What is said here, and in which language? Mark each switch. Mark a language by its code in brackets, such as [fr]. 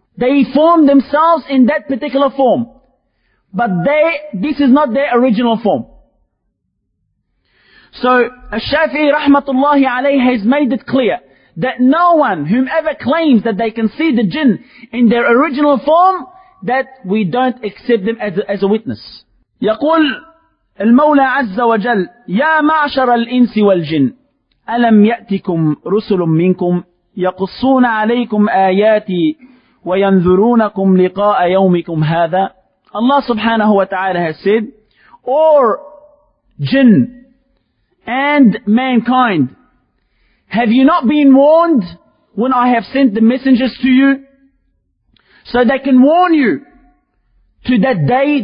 [en] They form themselves in that particular form. But this is not their original form. So, Al-Shafi'i rahmatullahi alayhi has made it clear that no one, whomever claims that they can see the jinn in their original form, that we don't accept them as a witness. [ar] يقول المولى عز وجل يا معشر الإنس والجن ألم يأتكم رسل منكم يقصون عليكم آياتي وينذرونكم لقاء يومكم هذا. [en] Allah subhanahu wa ta'ala has said, or jinn and mankind, have you not been warned when I have sent the messengers to you so they can warn you to that day?